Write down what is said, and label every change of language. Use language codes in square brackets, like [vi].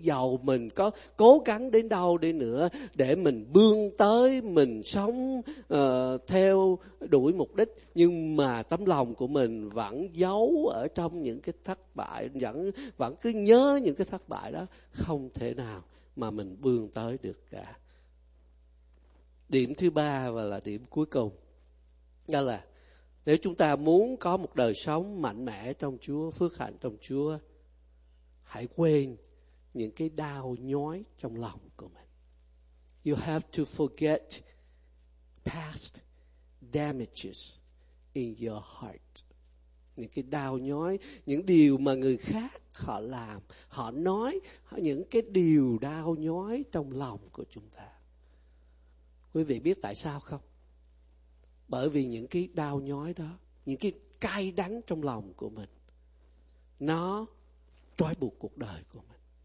[vi] Dầu mình có cố gắng đến đâu đi nữa để mình bươn tới, mình sống theo đuổi mục đích, nhưng mà tấm lòng của mình vẫn giấu ở trong những cái thất bại, vẫn cứ nhớ những cái thất bại đó, không thể nào mà mình bươn tới được cả. Điểm thứ ba và là điểm cuối cùng, đó là nếu chúng ta muốn có một đời sống mạnh mẽ trong Chúa, phước hạnh trong Chúa, hãy quên những cái đau nhói trong lòng của mình. [en] You have to forget past damages in your heart. [vi] Những cái đau nhói, những điều mà người khác họ làm, họ nói, những cái điều đau nhói trong lòng của chúng ta. Quý vị biết tại sao không? Bởi vì những cái đau nhói đó, những cái cay đắng trong lòng của mình, nó trói buộc cuộc đời của mình.